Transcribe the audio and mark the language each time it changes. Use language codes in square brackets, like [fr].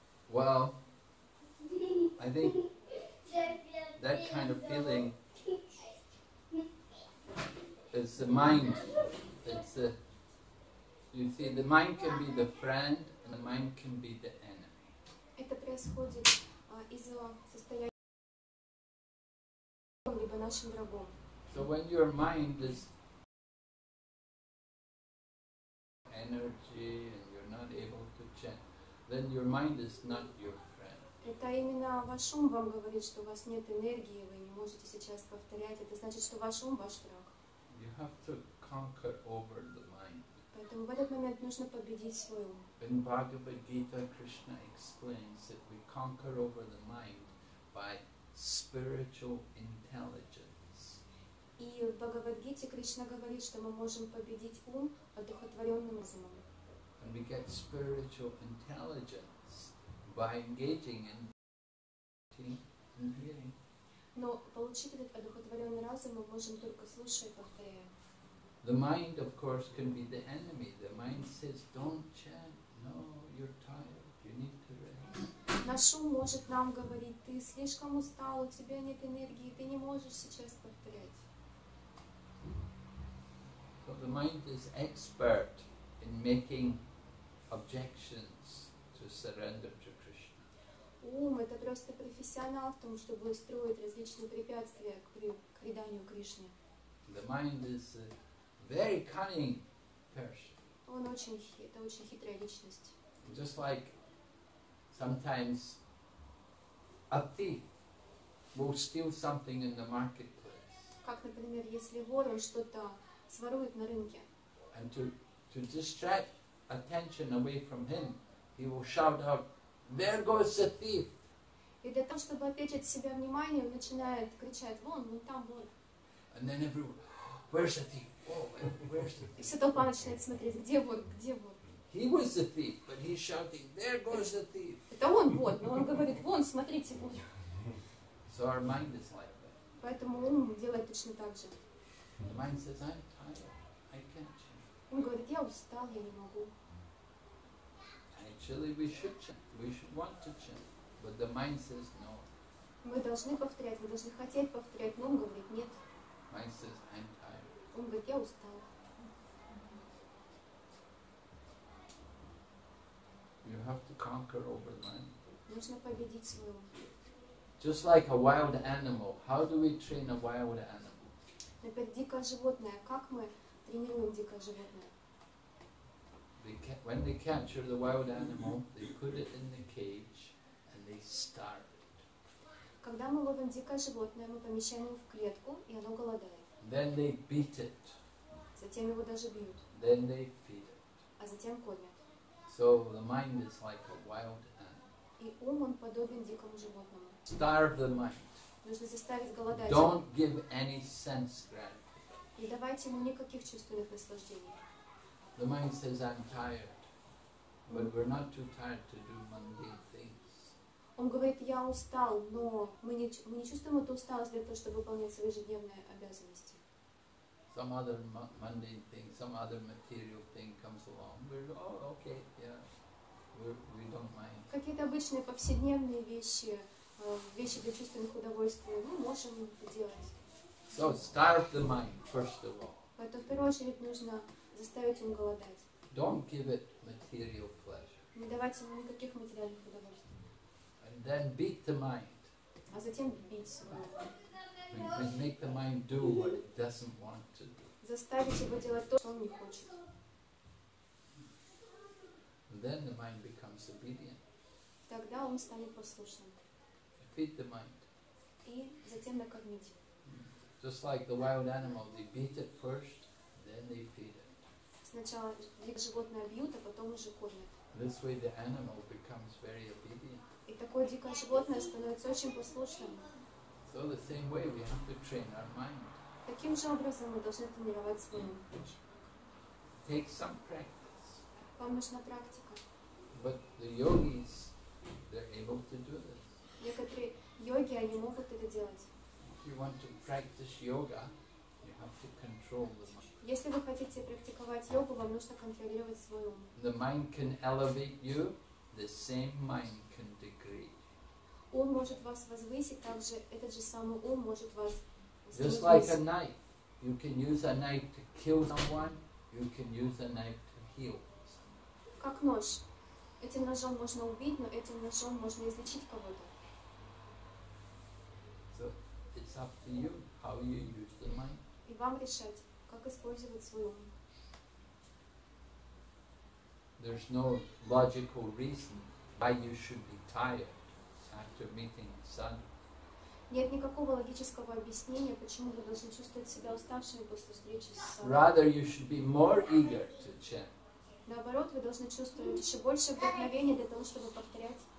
[en] Well, I think that kind of feeling is the mind. You see, the mind can be the friend, and the mind can be the enemy. [ru] Это происходит из-за состояния либо нашим врагом. [en] So when your mind is energy and you're not able to chant, then your mind is not your friend. [ru] Это именно ваш ум вам говорит, что у вас нет энергии, вы не можете сейчас повторять. Это значит, что ваш ум ваш враг. [en] You have to conquer over the mind. [ru] Поэтому в этот момент нужно победить свой ум. [en] In Bhagavad Gita, Krishna explains that we conquer over the mind by spiritual intelligence. [ru] И в Бхагавад Гите Кришна говорит, что мы можем победить ум одухотворенным умом. [en] And we get spiritual intelligence by engaging in chanting and hearing. [ru] Но получить этот одухотворенный разум мы можем только слушая и повторяя. [en] The mind, of course, can be the enemy. The mind says, "Don't chant." No, you're tired. You need to rest. [ru] Наш ум может нам говорить: ты слишком устал, у тебя нет энергии, ты не можешь сейчас повторять. [en] So the mind is expert in making objections to surrender to Krishna. [ru] Ум — это просто профессионал в том, чтобы строить различные препятствия к преданию Кришне. [en] The mind is a very cunning person. [ru] Он очень, это очень хитрая личность. [en] Just like sometimes a thief will steal something in the marketplace. [ru] Как, например, если вор что-то сворует на рынке. [en] And to distract attention away from him, he will shout out, "There goes the thief!" [ru] И для того, чтобы отвлечь от себя внимание, он начинает кричать: "Вон, вон там вор!" [en] And then everyone, "Where's the thief? Oh, where's the thief?" [ru] И вся толпа начинает смотреть, где вор, где вор. [en] He was the thief, but he's shouting, "There goes the thief!" [ru] Это он вот, но он говорит: "Вон, смотрите, вор!" [en] So our mind is like that. [ru] Поэтому ум делает точно так же. [en] The mind says, "I'm tired, I can't chant." [ru] Он говорит: "Я устал, я не могу." [en] Actually, we should chant, we should want to chant, but the mind says no. [ru] Мы должны повторять, мы должны хотеть повторять, но он говорит: "Нет." [en] Mind says, "I'm tired." [ru] Он говорит: "Я устал." [en] You have to conquer over the mind. [ru] Нужно победить свой ум. [en] Just like a wild animal, how do we train a wild animal? [ru] Например, дикое животное. Как мы тренируем дикое животное? [en] When they capture the wild animal, they put it in the cage and they starve it. [ru] Когда мы ловим дикое животное, мы помещаем его в клетку, и оно голодает. [en] Then they beat it. [ru] Затем его даже бьют. [en] Then they feed it. [ru] А затем кормят. [en] So the mind is like a wild animal. [ru] И ум, он подобен дикому животному. [en] Starve the mind. [ru] Нужно заставить голодать. [en] Don't give any sense gratification. [ru] Не давайте ему никаких чувственных наслаждений. [en] The mind says, "I'm tired." But we're not too tired to do mundane things. [ru] Он говорит: "Я устал, но мы не чувствуем эту усталость для того, чтобы выполнять свои ежедневные обязанности." [en] Some other mundane thing, some other material thing comes along. We're, "Oh, okay, yeah, we don't mind." [ru] Какие-то обычные повседневные вещи, вещи для чувственных удовольствий, мы можем делать. [en] So starve the mind first of all. [ru] Поэтому в первую очередь нужно заставить ум голодать. [en] Don't give it material pleasure. [ru] Не давать ему никаких материальных удовольствий. [en] And then beat the mind. [ru] А затем бить свой ум. [en] We make the mind do what it doesn't want to do. [ru] Заставить его делать то, что он не хочет. [en] Then the mind becomes obedient. [ru] Тогда он станет послушным. [en] Feed the mind. [ru] И затем накормить. [en] Just like the wild animal, they beat it first, then they feed it. [ru] Сначала животное бьют, а потом уже кормят. [en] This way the animal becomes very obedient. [ru] И такое дикое животное становится очень послушным. [en] So the same way we have to train our mind. [ru] Таким же образом мы должны тренировать свой ум. [en] Take some practice. [ru] Вам нужна практика. [en] But the yogis, they're able to do this. [ru] Некоторые йоги, они могут это делать. [en] If you want to practice yoga, you have to control the mind. [ru] Если вы хотите практиковать йогу, вам нужно контролировать свой ум. [en] The mind can elevate you, the same mind can degrade. [ru] Ум может вас возвысить, также этот же самый ум может вас снизить. [en] Just like a knife, you can use a knife to kill someone, you can use a knife to heal someone. [ru] Как нож. Этим ножом можно убить, но этим ножом можно излечить кого-то. [en] It's up to you how you use the mind. [ru] И вам решать, как использовать свой ум. [en] There's no logical reason why you should be tired after meeting the sun. [ru] Нет никакого логического объяснения, почему вы должны чувствовать себя уставшими после встречи с солнцем. [en] Rather, you should be more eager to chant. [ru] Наоборот, вы должны чувствовать еще больше вдохновения для того, чтобы повторять.